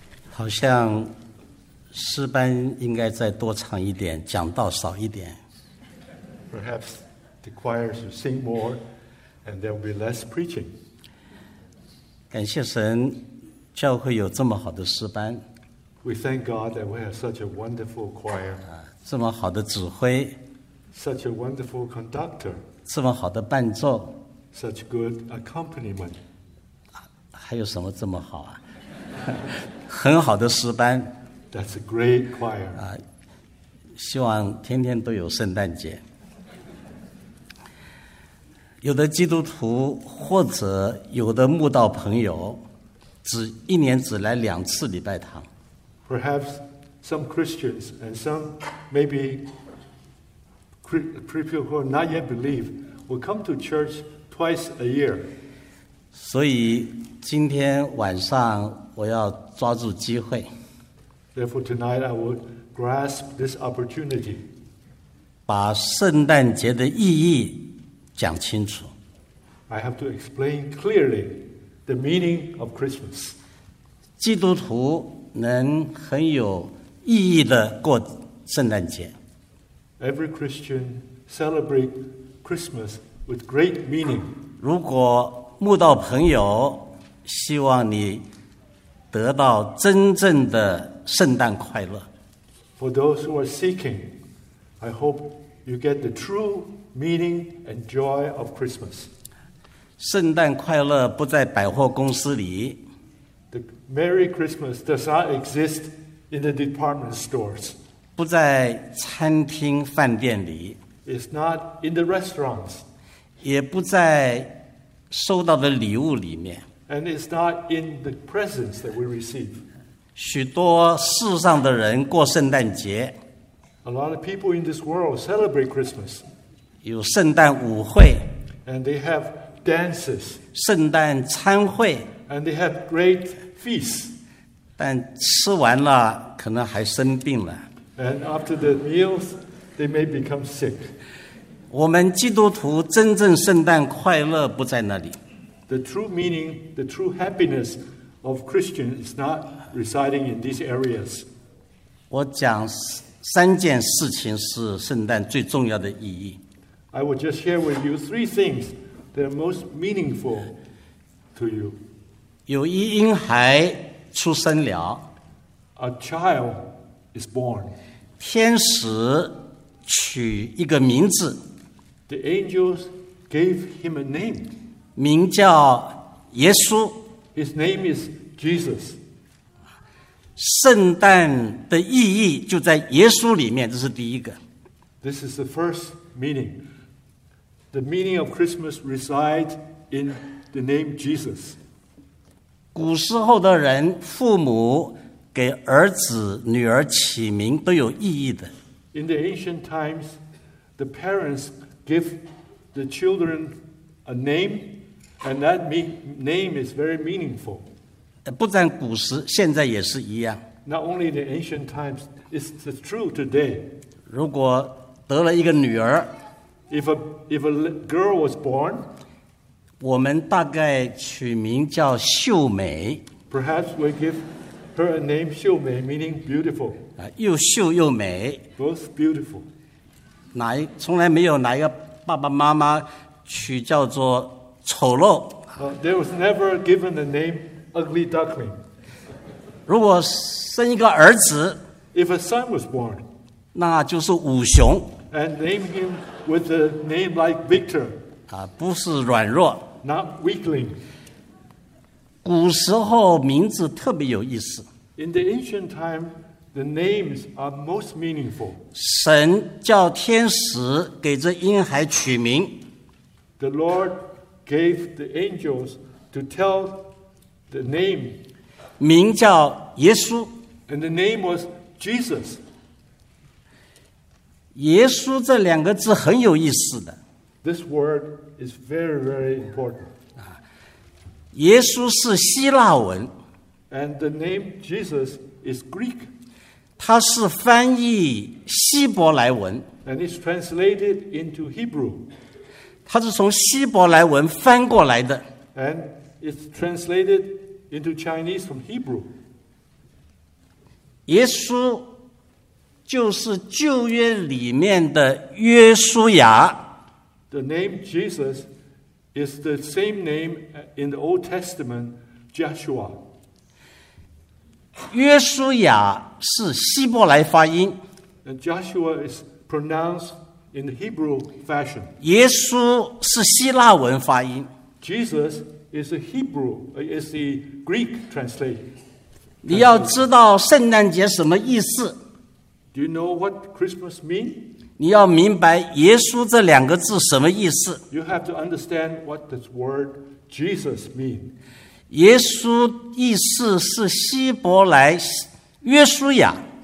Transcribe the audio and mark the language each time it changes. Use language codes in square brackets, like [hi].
[zh] 好像诗班应该再多唱一点，讲道少一点。 [en] Perhaps the choir should sing more, and there will be less preaching. [zh] 感谢神，教会有这么好的诗班。 [en] We thank God that we have such a wonderful choir. [zh] 这么好的指挥。 [en] Such a wonderful conductor. [zh] 这么好的伴奏。 [en] Such good accompaniment. [zh] 还有什么这么好啊？很好的诗班。 [en] That's a great choir. [zh] 希望天天都有圣诞节。有的基督徒或者有的慕道朋友，只一年只来两次礼拜堂。 [en] Perhaps some Christians and some maybe people who are not yet believe will come to church twice a year. [zh] 所以今天晚上我要抓住机会。 [en] Therefore tonight I will grasp this opportunity. [zh] 把圣诞节的意义讲清楚。 [en] I have to explain clearly the meaning of Christmas. [zh] 基督徒能很有意义的过圣诞节。 [en] Every Christian celebrate Christmas with great meaning. [zh] 如果慕道朋友希望你得到真正的圣诞快乐。 [en] For those who are seeking, I hope you get the true meaning and joy of Christmas. [zh] 圣诞快乐不在百货公司里。 [en] The Merry Christmas does not exist in the department stores. [zh] 不在餐厅饭店里。 [en] It's not in the restaurants. [zh] 也不在收到的礼物里面。 [en] And it's not in the presents that we receive. [zh] 许多世上的人过圣诞节。 [en] A lot of people in this world celebrate Christmas. [zh] 有圣诞舞会。 [en] And they have dances. [zh] 圣诞餐会。 [en] And they have great feasts. [zh] 但吃完了可能还生病了。 [en] And after the meals, they may become sick. [zh] 我们基督徒真正圣诞快乐不在那里。 [en] The true meaning, the true happiness of Christians is not residing in these areas. [zh] 我讲三件事情是圣诞最重要的意义。 [en] I will just share with you three things that are most meaningful to you. [zh] 有一婴孩出生了。 [en] A child is born. [zh] 天使取一个名字。 [en] The angels gave him a name. [zh] 名叫耶稣。 [en] His name is Jesus. [zh] 圣诞的意义就在耶稣里面，这是第一个。 [en] This is the first meaning. The meaning of Christmas resides in the name Jesus. [zh] 古时候的人，父母给儿子、女儿起名都有意义的。 [en] In the ancient times, the parents give the children a name, and that name is very meaningful. [zh] 不但古时，现在也是一样。 [en] Not only the ancient times, it's true today. [zh] 如果得了一个女儿。 [en] If a girl was born, [zh] 我们大概取名叫秀美。 [en] Perhaps we give her a name 秀美 meaning beautiful. [zh] 又秀又美。 [en] Both beautiful. [zh] 从来没有哪一个爸爸妈妈取叫做丑陋。 [en] There was never given a name ugly duckling. [zh] 如果生一个儿子。 [en] If a son was born. [zh] 那就是五雄。 [en] And name him with a name like Victor. [zh] 不是软弱。 [en] Not weakling. [zh] 古时候名字特别有意思。 [en] In the ancient time, the names are most meaningful. [zh] 神叫天使给这婴孩取名。 [en] The Lord gave the angels to tell the name. [zh] 名叫耶稣。 [en] And the name was Jesus. [zh] 耶稣这两个字很有意思的。 [en] This word is very, very important. [zh] 耶稣是希腊文。 [en] And the name Jesus is Greek. [zh] 它是翻译希伯来文。 [en] And it's translated into Hebrew. [zh] 它是从希伯来文翻过来的。 [en] And it's translated into Chinese from Hebrew. [zh] 耶稣就是旧约里面的约书亚。 [en] The name Jesus is the same name in the Old Testament, Joshua. [zh] 约书亚是希伯来发音。 [en] And Joshua is pronounced in the Hebrew fashion. [zh] 耶稣是希腊文发音。 [en] Jesus is a Hebrew, is the Greek translation. [zh] 你要知道圣诞节什么意思。 [en] Do you know what Christmas means? [zh] 你要明白耶稣这两个字什么意思。 [en] You have to understand what this word Jesus means. [zh] 耶稣意思是希伯来约书亚。